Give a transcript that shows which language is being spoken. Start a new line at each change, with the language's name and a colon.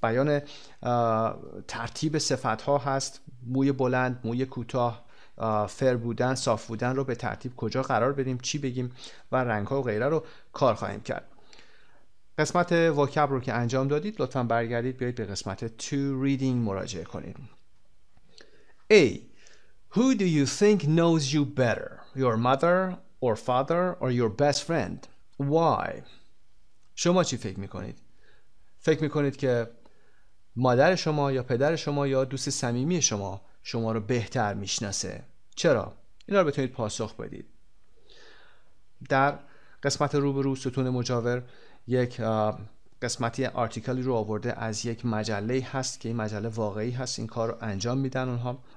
Persian: بیان ترتیب صفتها هست، موی بلند، موی کوتاه، فر بودن، صاف بودن رو به ترتیب کجا قرار بدیم، چی بگیم و رنگ ها و غیره رو کار خواهیم کرد. قسمت وکب رو که انجام دادید لطفا برگردید بیایید به قسمت 2 reading مراجعه کنید.
English: A. Who do you think knows you better? Your mother or father or your best friend? Why?
Persian: شما چی فکر میکنید؟ فکر میکنید که مادر شما یا پدر شما یا دوست صمیمی شما شما رو بهتر میشناسه؟ چرا؟ اینا رو بتونید پاسخ بدید. در قسمت روبرو ستون مجاور یک قسمتی آرتیکلی رو آورده از یک مجله هست که این مجله واقعی هست، این کار رو انجام میدن اونها.